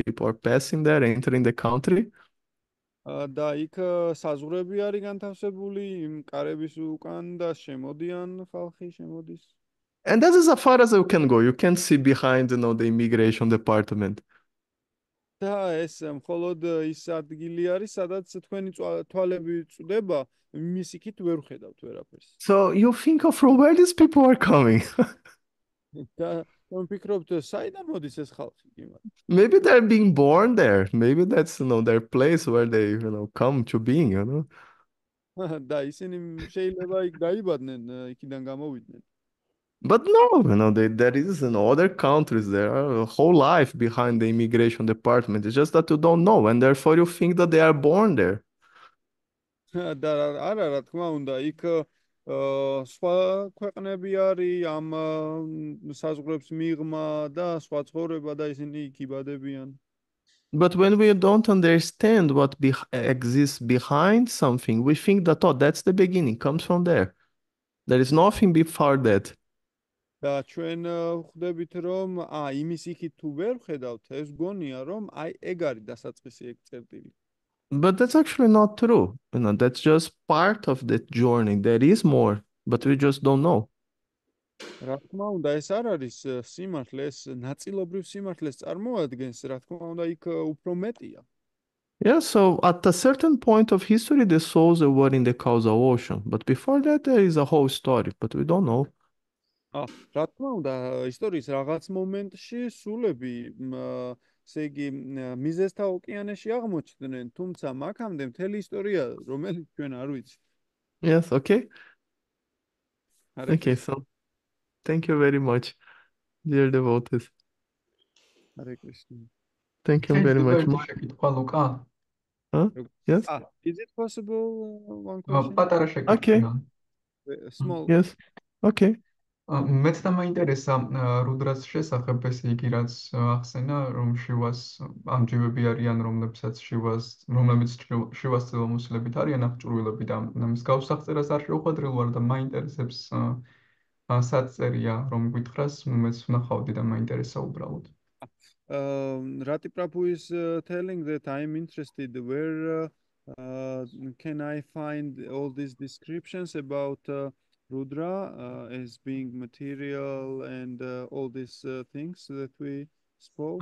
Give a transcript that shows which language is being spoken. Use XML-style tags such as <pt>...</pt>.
<en>People are passing there, entering the country.</en> <ka>და იქ საზღვრები არის განთავსებული იმ კარების უკან და შემოდიან ხალხი, შემოდის.</ka> <en>And that is as far as you can go. You can't see behind, the immigration department.</en> <ka>და ეს მხოლოდ ის ადგილი არის, სადაც თქვენი თვალები წვდება, მის იქით ვერ ხედავთ ვერაფერს.</ka> <en>So you think of from where these people are coming.</en> <ka>და თქვენ ფიქრობთ, საიდან მოდის ეს ხალხი კიმა?</ka> <en>Maybe they're being born there. Maybe that's, their place where they, come to being,</en> <ka>და ისინი შეიძლება იქ დაიბადნენ, იქიდან გამოვიდნენ.</ka> <en>But no, there is other countries. There are a whole life behind the immigration department. It's just that you don't know, and therefore you think that they are born there.</en> <ka>და არა, რა თქმა უნდა, იქ სხვა ქვეყნები არის ამ საზღვრებს მიღმა და სხვა ცხოვრება და ისინი იქ იბადებიან.</ka> <en>But when we don't understand what be exists behind something, we think that, oh, that's the beginning, comes from there. There is nothing before that.</en> <ka>და ჩვენ ხვდებით, რომ იმის იქით თუ ვერ ხედავთ, ეს გონია, რომ აი ეგ არის დასაწყისი, ეგ წერტილი.</ka> <en>But that's actually not true. That's just part of the journey. There is more, but we just don't know.</en> <ka>რა თქმა უნდა, ეს არ არის სიმართლე, ეს ნაწილობრივ სიმართლეს წარმოადგენს, რა თქმა უნდა, იქ უფრო მეტია.</ka> <en>Yeah, so at a certain point of history, the souls were in the causal ocean. But before that, there is a whole story, but we don't know.</en> <ka>რა თქმა უნდა, ისტორიის რაღაც მომენტში სულები, ესე იგი, მიზესთა ოკეანეში აღმოჩნდნენ, თუმცა მაქამდე მთელი ისტორია, რომელიც ჩვენ არ ვიცით.</ka> <en>Yes, okay. Okay,</en> <ka>არეკლეს.</ka> <en>so thank you very much, dear devotees.</en> <ka>არეკლეს.</ka> <en>Thank you very</en> <ka>Შეიძლება</ka> <en>much.</en> <ka>ერთი შეკითხვა, ლუკა?</ka> <en>Yes. Is it possible one question? Okay.</en> <ka>Პატარა შეკითხვა.</ka> <en>Small. Yes. Okay.</en> <ka>მეც დამაინტერესა რუდრას შესახებ, ესე იგი, რაც ახსენა, რომ შივას ამჯივები არიან, რომლებიც შივას ძელმოსილებით არიან აღჭურვილები და მსგავს აღწერას არ შეუხვედრილ ვარ და მაინტერესებს სად წერია, რომ გვითხრას, მეც ვნახავდი და მაინტერესა უბრალოდ.</ka> <en>Rati Prabhu is telling that I am interested. Where can I find all these descriptions about Rudra as being material and all these things that we spoke?</en>